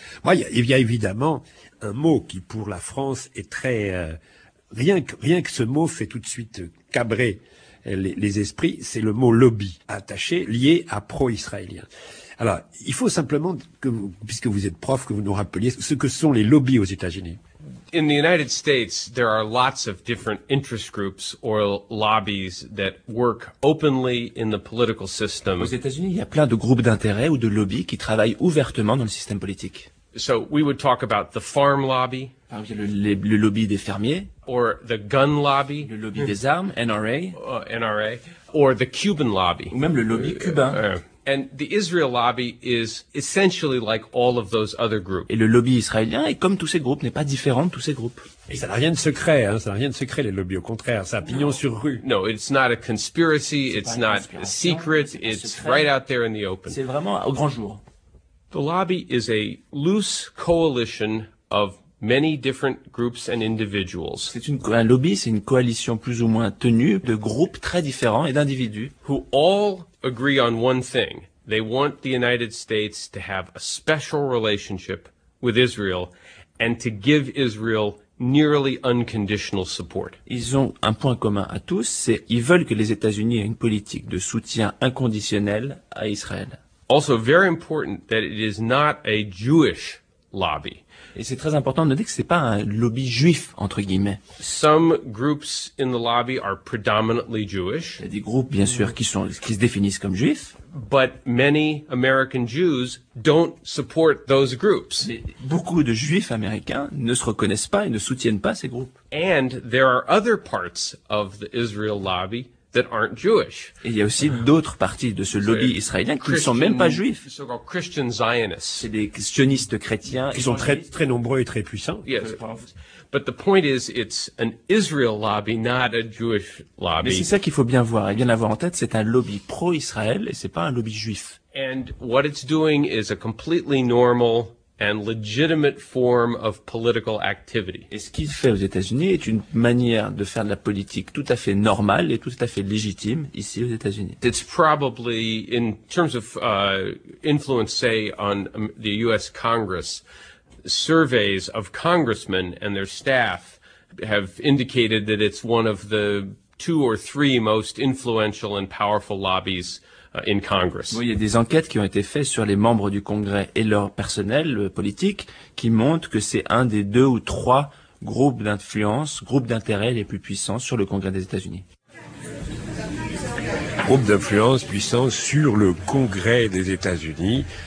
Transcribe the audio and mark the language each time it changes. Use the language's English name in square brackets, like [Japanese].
[French] Il y a évidemment un mot qui pour la France est très... Rien que ce mot fait tout de suite cabrer les esprits, c'est le mot lobby attaché, lié à pro-israélien. Alors, il faut simplement que vous, puisque vous êtes prof, que vous nous rappeliez ce que sont les lobbies aux États-Unis. [English] In the United States, there are lots of different interest groups or lobbies that work openly in the political system. [French] Aux États-Unis, il y a plein de groupes d'intérêts ou de lobbies qui travaillent ouvertement dans le système politique. [English] So we would talk about the farm lobby. [French] Par exemple, le lobby des fermiers. [English] Or the gun lobby. [French] Le lobby des armes, NRA. [English] NRA. Or the Cuban lobby. [French] Ou même le lobby cubain. [English] And the Israel lobby is essentially like all of those other groups. [French] Et le lobby israélien est comme tous ces groupes, n'est pas différent de tous ces groupes. Et ça n'a rien de secret, hein. Ça n'a rien de secret, les lobbies. Au contraire, ça a pignon sur rue. [English] No, it's not a conspiracy. It's not a secret. It's right out there in the open. [French] C'est vraiment au grand jour. [English] The lobby is a loose coalition of many different groups and individuals. [French] C'est un lobby, c'est une coalition plus ou moins tenue de groupes très différents et d'individus. [English] Who all agree on one thing. They want the United States to have a special relationship with Israel and to give Israel nearly unconditional support. [French] Ils ont un point commun à tous, c'est ils veulent que les États-Unis aient une politique de soutien inconditionnel à Israël. [English] Also very important that it is not a Jewish lobby. [French] Et c'est très important de noter que c'est pas un lobby juif entre guillemets. [English] Some groups in the lobby are predominantly Jewish. [French] Il y a des groupes bien sûr qui se définissent comme juifs. [English] But many American Jews don't support those groups. [French] Mais beaucoup de juifs américains ne se reconnaissent pas et ne soutiennent pas ces groupes. [English] And there are other parts of the Israel lobby that aren't Jewish. [French] Et il y a aussi d'autres parties de ce lobby israélien qui ne sont même pas juifs. [English] So-called Christian Zionists. [French] C'est des sionistes chrétiens. Ils sont très, très nombreux et très puissants. [English] Yes. But the point is, it's an Israel lobby, not a Jewish lobby. [French] Mais c'est ça qu'il faut bien voir et bien avoir en tête. C'est un lobby pro-Israël et c'est pas un lobby juif. [English] And what it's doing is a completely normal and legitimate form of political activity. [French] Et ce qu'il fait aux États-Unis est une manière de faire de la politique tout à fait normale et tout à fait légitime ici aux États-Unis. [English] It's probably in terms of influence, say, on the U.S. Congress, surveys of congressmen and their staff have indicated that it's one of the two or three most influential and powerful lobbies in Congress. [French] Oui, il y a des enquêtes qui ont été faites sur les membres du Congrès et leur personnel politique qui montrent que c'est un des deux ou trois groupes d'influence, groupes d'intérêt les plus puissants sur le Congrès des États-Unis. groupe d'influence puissant sur le Congrès des États-Unis.